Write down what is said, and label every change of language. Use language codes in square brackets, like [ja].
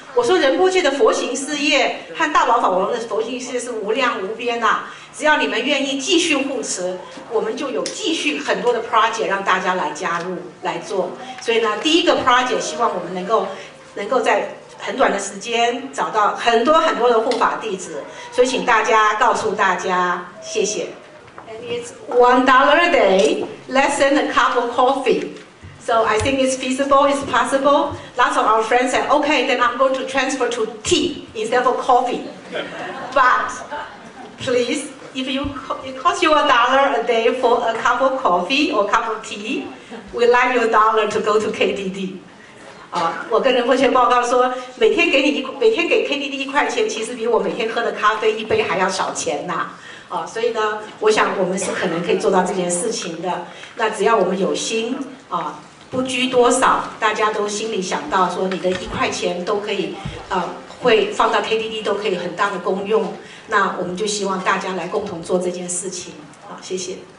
[zh] 我说仁波切的佛行事业和大宝法王的佛行事业是无量无边啊，只要你们愿意继续护持，我们就有继续很多的 project 让大家来加入来做。所以呢，第一个 project 希望我们能够在很短的时间找到很多很多的护法弟子，所以请大家告诉大家，谢谢。 [en] It's $1 a day, less than a cup of coffee. So I think it's feasible, it's possible. Lots of our friends said, okay, then I'm going to transfer to tea instead of coffee. But please, if it costs you $1 a day for a cup of coffee or a cup of tea, we'd like your dollar to go to KDD. [zh] 我跟仁波切报告说，每天给 KDD 1块钱，其实比我每天喝的咖啡一杯还要少钱呐。所以呢，我想我们是可能可以做到这件事情的。那只要我们有心啊，不拘多少，大家都心里想到说，你的1块钱都可以，会放到 KDD 都可以很大的功用。那我们就希望大家来共同做这件事情。好，谢谢。